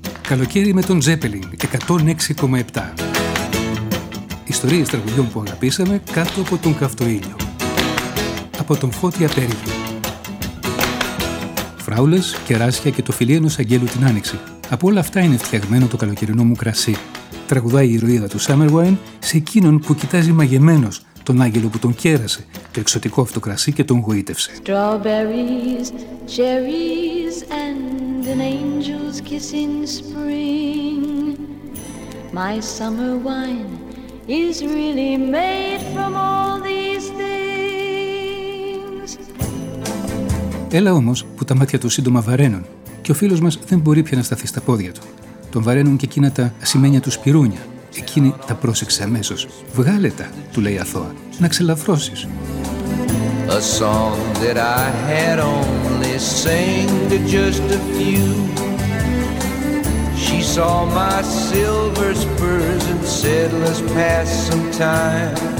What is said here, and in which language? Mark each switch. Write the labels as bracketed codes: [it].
[el] Καλοκαίρι με τον Τζέπελιν 106,7. Ιστορίες τραγουδιών που αγαπήσαμε κάτω από τον καυτό ήλιο. Από τον Φώτη Απέριγη. Φράουλες, κεράσια και το φιλί ενός αγγέλου την άνοιξη. Από όλα αυτά είναι φτιαγμένο το καλοκαιρινό μου κρασί. Τραγουδάει η ηρωίδα του Summer Wine σε εκείνον που κοιτάζει μαγεμένος τον άγγελο που τον κέρασε, το εξωτικό αυτό κρασί και τον γοήτευσε. [en] Strawberries, cherries and an angel's kiss in spring. My summer wine is really made from all these things. [el] Έλα όμως που τα μάτια του σύντομα βαραίνουν και ο φίλος μας δεν μπορεί πια να σταθεί στα πόδια του. Τον βαραίνουν και εκείνα τα ασημένια του σπιρούνια. Εκείνη τα πρόσεξε αμέσως. «Βγάλε τα», του λέει αθώα, «να ξελαφρώσεις». [en] A song that I had only sang to just a few. She saw my silver spurs and said, let's pass some time.